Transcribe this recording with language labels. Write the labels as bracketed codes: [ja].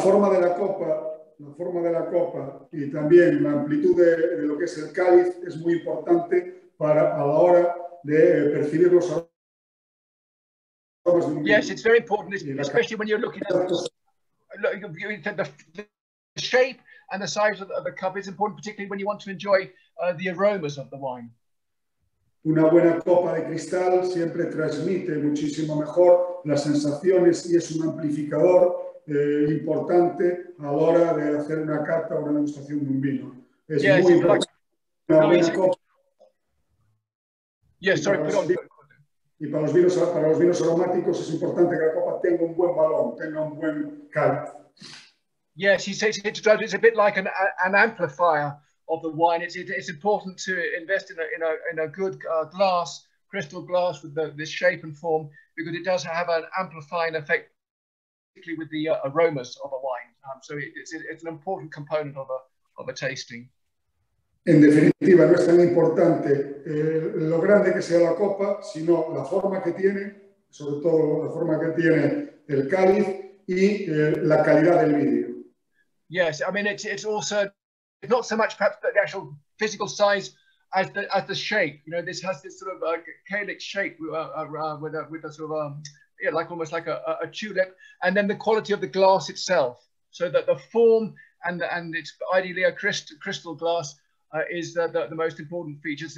[es] La forma de la copa y también la amplitud de lo que es el cáliz es muy importante para a la hora de percibir los aromas. [en] Yes, it's very important, especially when you're looking at the shape and the size of the cup. It's important, particularly when you want to enjoy the aromas of the wine. [es] Una buena copa de cristal siempre transmite muchísimo mejor las sensaciones y es un amplificador importante a la hora de hacer una carta o una degustación de un vino. Es [en] yes, [es] muy importante. [en] Like, no, yes, sorry, perdón. [es] Y para los vinos aromáticos es importante que la copa tenga un buen balón, tenga un buen cáliz. [en] Yes, he says it's a bit like an amplifier of the wine. It's important to invest in a good glass, crystal glass with this shape and form, because it does have an amplifying effect with the aromas of a wine. So it's an important component of a tasting. [es] En definitiva, no es tan importante lo grande que sea la copa, sino la forma que tiene, sobre todo la forma que tiene el cáliz y la calidad del vidrio. [en] Yes, I mean, it's also not so much perhaps the actual physical size as the shape. You know, this has this sort of calyx shape with a sort of yeah, like almost like a tulip, and then the quality of the glass itself, so that the form and it's ideally a crystal glass is the most important features.